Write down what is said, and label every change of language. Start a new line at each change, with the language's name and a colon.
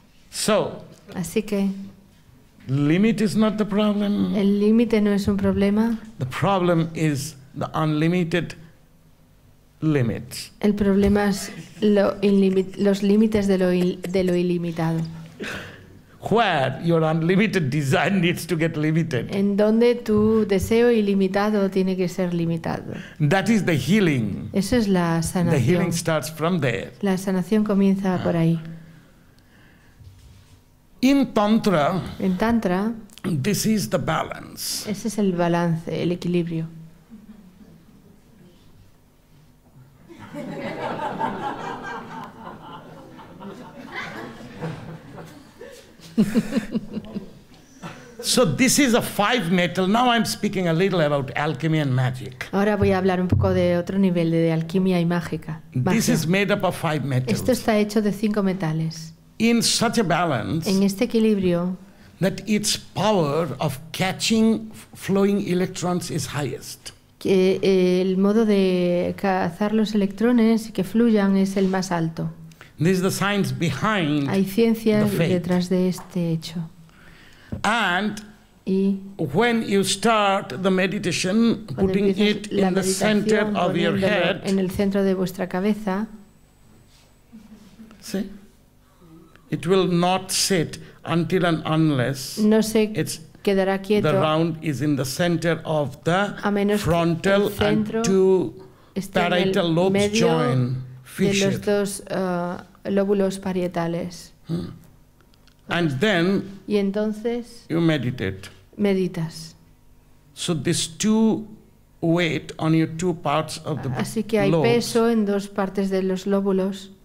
English: So,
Spanish: así que
English: limit is not the problem.
Spanish: El límite no es un problema.
English: The problem is the unlimited limits.
Spanish: El problema es los límites de lo ilimitado.
English: where your unlimited desire needs to get limited.
Spanish: En donde tu deseo ilimitado tiene que ser limitado.
English: That is the healing.
Spanish: Eso es la sanación.
English: The healing starts from there.
Spanish: La sanación comienza por ahí.
English: In tantra,
Spanish: en tantra,
English: this is the balance.
Spanish: Ese es el balance, el equilibrio.
English: So this is a five metal. Now I'm speaking a little about alchemy and magic.
Spanish: Ahora voy a hablar un poco de otro nivel de alquimia y mágica.
English: This is made up of five metals.
Spanish: Esto está hecho de cinco metales.
English: In such a balance.
Spanish: En este equilibrio.
English: That its power of catching flowing electrons is highest.
Spanish: Que el modo de cazar los electrones y que fluyan es el más alto.
English: This is the science behind the faith.
Spanish: Hay ciencia detrás de este hecho.
English: And
Spanish: y
English: when you start the meditation, putting it in the center of your head,
Spanish: en el centro de vuestra cabeza,
English: see? It will not sit until and unless
Spanish: no se quedará quieto,
English: the round is in the center of the frontal and two parietal lobes join.
Spanish: De los dos lóbulos parietales.
English: And then
Spanish: y entonces
English: you meditate.
Spanish: Meditas.
English: So these two weight on your two parts of the
Spanish: así que hay peso en dos partes de los lóbulos